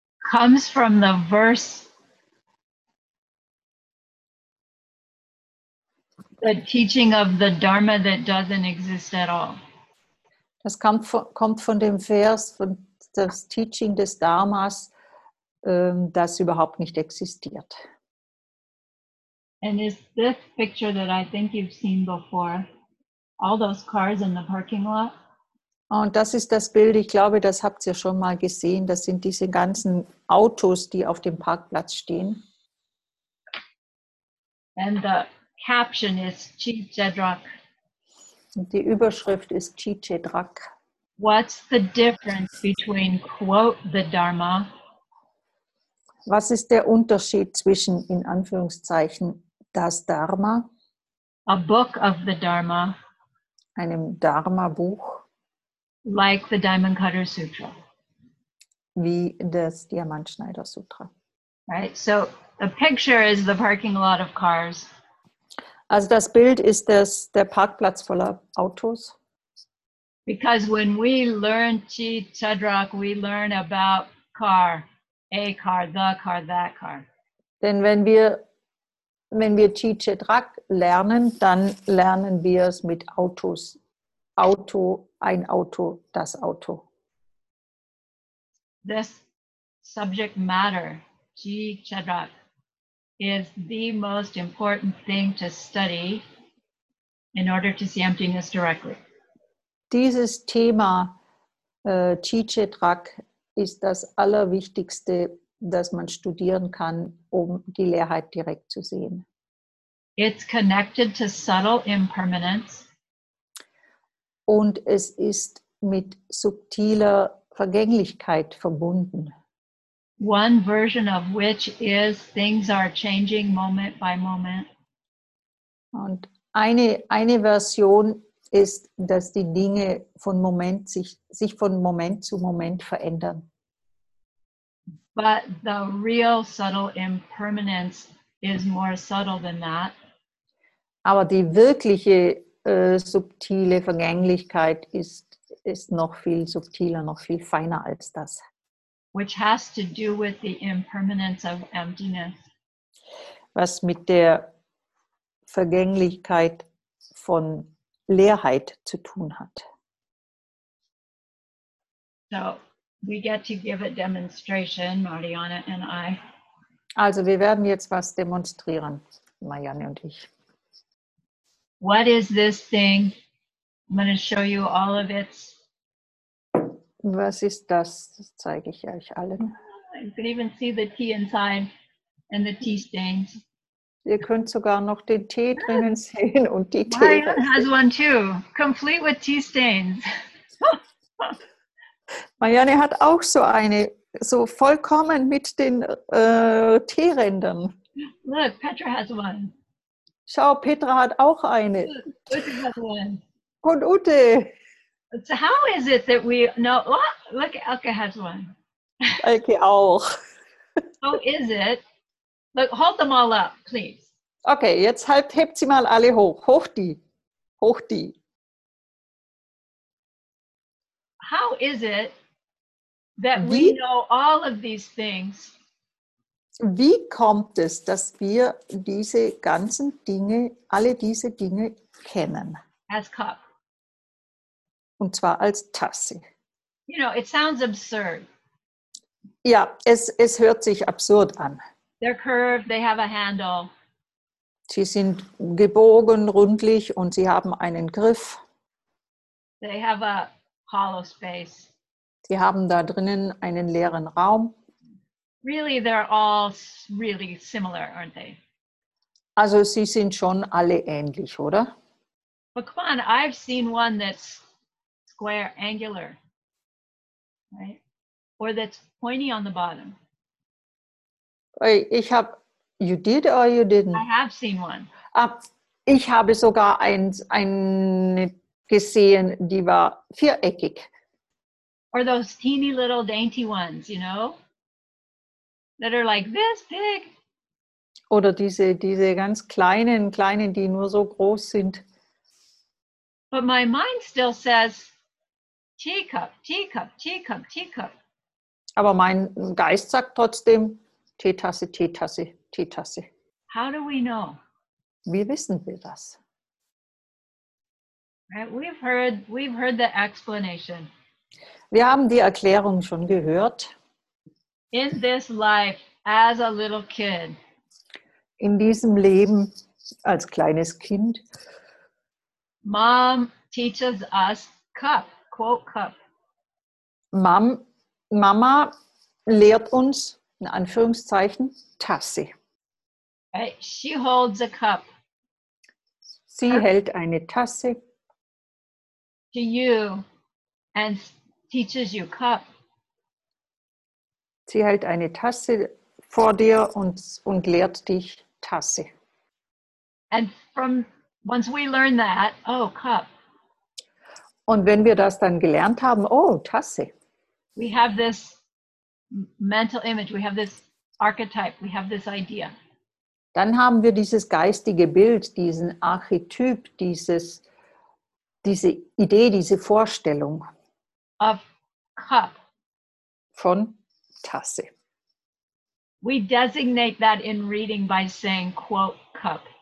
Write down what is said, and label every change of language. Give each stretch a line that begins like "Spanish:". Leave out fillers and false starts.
English: Comes from the verse the teaching of the Dharma that doesn't exist at all.
German: Das kommt von dem Vers von das Teaching des Dharmas, das überhaupt nicht existiert.
English: And is this picture that I think you've seen before? All those cars in the parking lot?
German: Und das ist das Bild, ich glaube, das habt ihr schon mal gesehen. Das sind diese ganzen Autos, die auf dem Parkplatz stehen.
English: And the caption is Chichedrak.
German: Und die Überschrift ist Chichedrak.
English: What's the difference between quote the Dharma?
German: Was ist der Unterschied zwischen, in Anführungszeichen, das Dharma?
English: A book of the Dharma.
German: Einem Dharma-Buch.
English: Like the Diamond Cutter Sutra.
German: Wie das Diamantschneider Sutra.
English: Right, so the picture is the parking lot of cars.
German: Also das Bild ist das, der Parkplatz voller Autos.
English: Because when we learn Chi Chadrak, we learn about car, a car, the car, that car.
German: Denn wenn wir Chi Chadrak lernen, dann lernen wir es mit Autos Auto, ein Auto, das Auto.
English: This subject matter, Ji Chadrak, is the most important thing to study in order to see emptiness directly.
German: Dieses Thema, Ji Chadrak, ist das Allerwichtigste, das man studieren kann, um die Leerheit direkt zu sehen.
English: It's connected to subtle impermanence.
German: Und es ist mit subtiler Vergänglichkeit verbunden.
English: One version of which is things are changing moment by moment.
German: Und eine Version ist, dass die Dinge von Moment sich von Moment zu Moment verändern.
English: But the real subtle impermanence is more subtle than that.
German: Aber die wirkliche subtile Vergänglichkeit ist noch viel subtiler, noch viel feiner als das.
English: Which has to do with the impermanence of emptiness.
German: Was mit der Vergänglichkeit von Leerheit zu tun hat.
English: So, we get to give a demonstration, Mariana and I.
German: Also, wir werden jetzt was demonstrieren, Marianne und ich.
English: What is this thing? I'm going to show you all of its.
German: Was ist das? Das zeige ich euch allen.
English: You can even see the tea inside and the tea stains.
German: Ihr könnt sogar noch den Tee drinnen sehen und die Tee.
English: Mine has one too, complete with tea stains.
German: Marianne hat auch so eine, so vollkommen mit den Teerändern.
English: Look, Petra has one.
German: Schau, Petra hat auch eine.
English: Ute has one.
German: Und Ute.
English: So how is it that we know? Oh, look, Elke has one.
German: Elke auch.
English: How is it? Look, hold them all up, please.
German: Okay, jetzt hebt sie mal alle hoch. Hoch die.
English: How is it that we know all of these things?
German: Wie kommt es, dass wir diese ganzen Dinge, alle diese Dinge kennen?
English: As cup.
German: Und zwar als Tasse.
English: You know, it sounds absurd.
German: Ja, es hört sich absurd an.
English: They're curved, they have a handle.
German: Sie sind gebogen, rundlich und sie haben einen Griff.
English: They have a hollow space.
German: Sie haben da drinnen einen leeren Raum.
English: Really, they're all really similar, aren't they?
German: Also, sie sind schon alle ähnlich, oder?
English: But come on, I've seen one that's square, angular, right? Or that's pointy on the bottom.
German: Ich habe,
English: you did or you didn't? I have seen one.
German: Ich habe sogar eine gesehen, die war viereckig.
English: Or those teeny little dainty ones, you know? That are like this big.
German: Oder diese ganz kleinen, die nur so groß sind.
English: But my mind still says teacup, teacup, teacup, teacup.
German: Aber mein Geist sagt trotzdem Teetasse, Teetasse, Teetasse.
English: How do we know?
German: Wie wissen wir das?
English: Right, we've heard the explanation.
German: Wir haben die Erklärung schon gehört.
English: In this life, as a little kid.
German: In diesem Leben, als kleines Kind.
English: Mom teaches us cup, quote cup.
German: Mama lehrt uns, in Anführungszeichen, Tasse.
English: Right? She holds a cup.
German: Sie hält eine Tasse.
English: To you and teaches you cup.
German: Sie hält eine Tasse vor dir und lehrt dich Tasse.
English: And from once we learn that, oh, cup.
German: Und wenn wir das dann gelernt haben, oh, Tasse.
English: We have this mental image, we have this archetype, we have this idea.
German: Dann haben wir dieses geistige Bild, diesen Archetyp, diese Idee, diese Vorstellung.
English: Of cup.
German: Von Tasse.
English: We designate that in reading by saying quote cup.